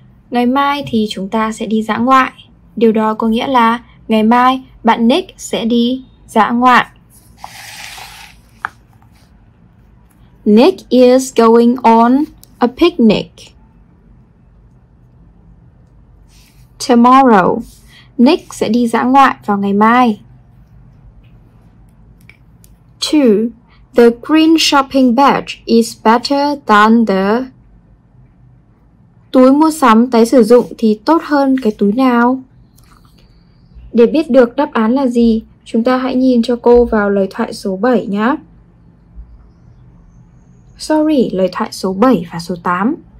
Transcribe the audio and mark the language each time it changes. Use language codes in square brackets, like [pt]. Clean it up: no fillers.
[vi] Ngày mai thì chúng ta sẽ đi dã ngoại. Điều đó có nghĩa là ngày mai bạn Nick sẽ đi dã ngoại. [en] Nick is going on a picnic tomorrow. [vi] Nick sẽ đi dã ngoại vào ngày mai. 2. [en] The green shopping bag is better than the... [vi] Túi mua sắm tái sử dụng thì tốt hơn cái túi nào? Để biết được đáp án là gì, chúng ta hãy nhìn cho cô vào lời thoại số 7 nhé. Sorry, lời thoại số 7 và số 8.